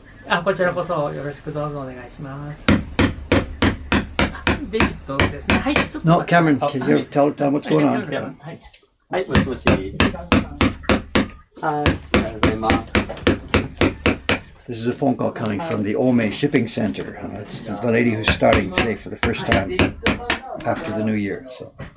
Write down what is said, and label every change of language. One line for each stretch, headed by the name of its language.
Japanese: あ、こちらこそよろしくどうぞお願いします。デビッドですね。はい、ちょっと。
English: No, Cameron, can you tell them what's going on?
Japanese: はい、もしもし。はい、おはようございます。
English: This is a phone call coming from the Ome Shipping Center. It's the lady who's starting today for the first time after the new year. So.